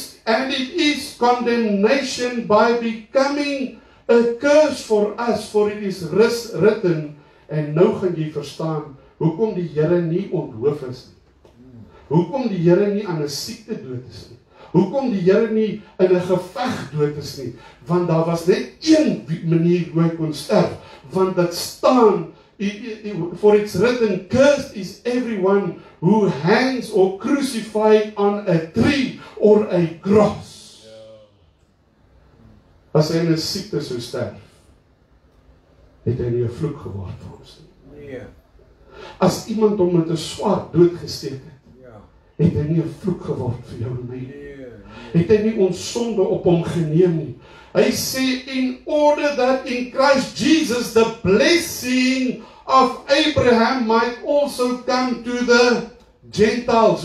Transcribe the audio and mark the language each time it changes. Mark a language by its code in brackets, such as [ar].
[en] And it is condemnation by becoming a curse for us, for it is written. [af] En nou gaan jy verstaan hoekom die Here nie onthoof is nie. Hoekom die Here nie aan 'n siekte dood is nie. Hoekom die Here nie in 'n geveg dood is nie. Want daar was net een manier hoe hy kon sterf. Want dit staan, [en] for it's written, cursed is everyone who hangs or crucified on a tree or a cross. [af] As hy in 'n siekte sou sterf, het hy nie 'n vloek geword vir ons nie. As iemand hom met 'n swaard doodgesteek het, het hy nie 'n vloek geword vir jou en my nie. Het hy nie ons sonde op hom geneem nie. Hy sê, [en] in order that in Christ Jesus the blessing of Abraham might also come to the Gentiles.